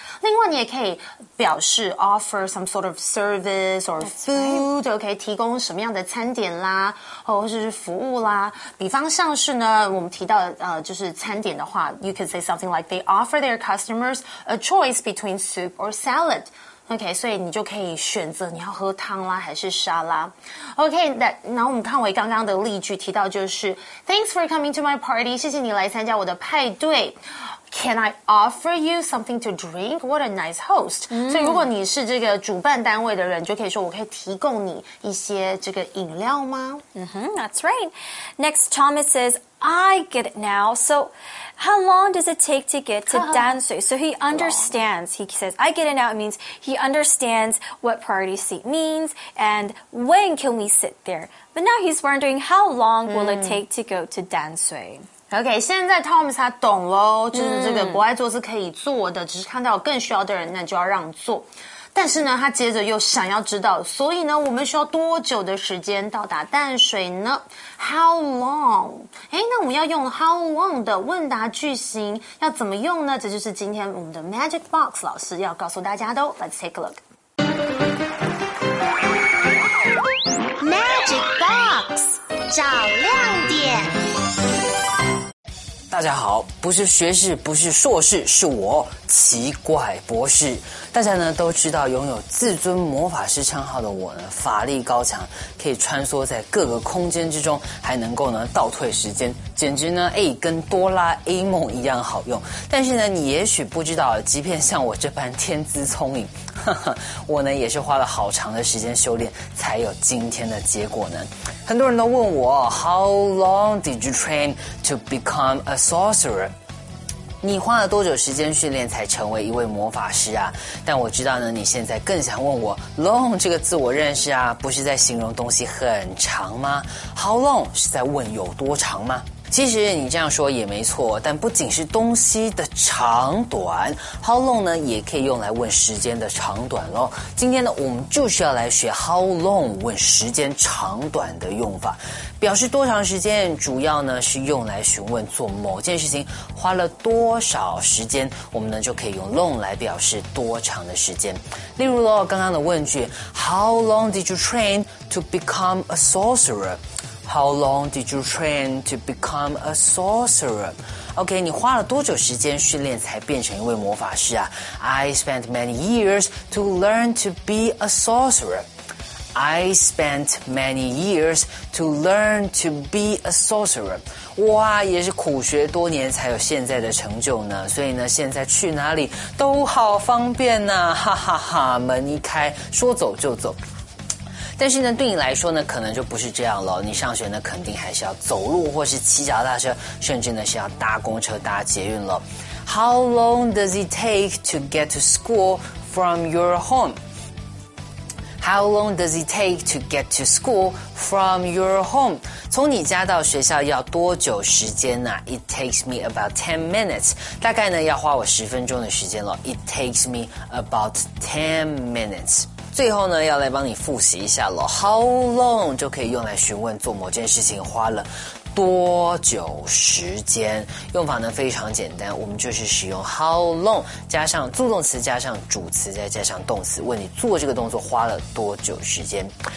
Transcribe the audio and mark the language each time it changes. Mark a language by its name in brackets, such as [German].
[Chinese] 另外，你也可以表示 [English] offer some sort of service or food， [Chinese] OK， 提供什么样的餐点啦，或者是服务啦。比方像是呢，我们提到就是餐点的话 [English] ，you can say something like they offer their customers a choice between soup or salad。 [Chinese] OK， 所以你就可以选择你要喝汤啦还是沙拉。 OK， 然后我们看回刚刚的例句，提到就是 [English] Thanks for coming to my party， [Chinese] 谢谢你来参加我的派对。 [English] Can I offer you something to drink? What a nice host!、 [Chinese] 所以如果你是这个主办单位的人，就可以说我可以提供你一些这个饮料吗？ [English] That's right. Next, Thomas says, I get it now. So, how long does it take to get to Dansui? So, he understands. He says, I get it now. It means he understands what priority seat means and when can we sit there. But now he's wondering, how long will it take to go to Dansui? [Chinese] OK， 现在 Thomas 他懂咯，就是这个不爱坐是可以坐的，只是看到有更需要的人，那就要让座。但是呢，他接着又想要知道，所以呢，我们需要多久的时间到达淡水呢 ？How long？哎，那我们要用 How long 的问答句型要怎么用呢？这就是今天我们的 Magic Box 老师要告诉大家的哦。 [English] Let's take a look. [Chinese] Magic Box 找亮点。大家好，不是学士，不是硕士，是我奇怪博士。大家呢都知道，拥有自尊魔法师称号的我呢，法力高强，可以穿梭在各个空间之中，还能够呢倒退时间，简直呢跟哆啦 A 梦一样好用。但是呢，你也许不知道，即便像我这般天资聪颖，我呢也是花了好长的时间修炼，才有今天的结果呢。很多人都问我 [English] ，How long did you train to become a sorcerer？ [Chinese] 你花了多久时间训练才成为一位魔法师啊？但我知道呢，你现在更想问我 ，long 这个字我认识啊，不是在形容东西很长吗 ？How long 是在问有多长吗？其实你这样说也没错，但不仅是东西的长短 ，how long 呢，也可以用来问时间的长短咯。今天呢，我们就是要来学 how long 问时间长短的用法。表示多长时间，主要呢是用来询问做某件事情花了多少时间，我们呢就可以用 long 来表示多长的时间。例如咯，刚刚的问句 [English] ，How long did you train to become a sorcerer？ How long did you train to become a sorcerer? OK, [Chinese] 你花了多久时间训练才变成一位魔法师啊 [English] ?I spent many years to learn to be a sorcerer. I spent many years to learn to be a sorcerer. [Chinese] 哇，也是苦学多年才有现在的成就呢。所以呢，现在去哪里都好方便啊，哈哈哈，门一开，说走就走。但是呢，对你来说呢，可能就不是这样了。你上学呢，肯定还是要走路，或是骑脚踏车，甚至呢是要搭公车、搭捷运了。 [English] How long does it take to get to school from your home? How long does it take to get to school from your home? [Chinese] 从你家到学校要多久时间呢 ？ [English] It takes me about 10 minutes. [Chinese] 大概呢要花我十分钟的时间了。 [English] It takes me about 10 minutes. [Chinese] 最后呢要来帮你复习一下了 How long 就可以用来询问做某件事情花了多久时间用法呢非常简单我们就是使用 How long 加上助动词加上主词再加上动词问你做这个动作花了多久时间